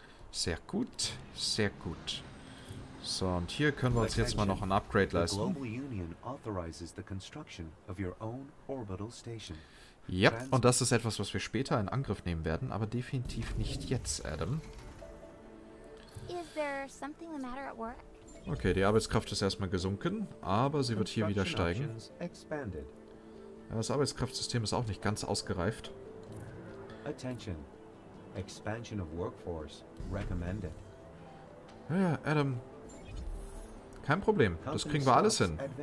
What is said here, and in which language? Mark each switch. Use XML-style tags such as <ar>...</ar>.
<de>Sehr gut, sehr gut. So, und hier können wir uns jetzt mal noch ein Upgrade leisten.</de> <en>The Global Union authorizes the construction of your own orbital station.</en> <de>Ja, und das ist etwas, was wir später in Angriff nehmen werden, aber definitiv nicht jetzt, Adam.</de> <en>Is there something the matter at work?</en> <de>Okay, die Arbeitskraft ist erstmal gesunken, aber sie wird hier wieder steigen. Ja, das Arbeitskraftsystem ist auch nicht ganz ausgereift.</de> <en>Attention. Expansion of workforce recommended.</en> <de>Ja, ja, Adam. Kein Problem, das kriegen wir alles hin.</de>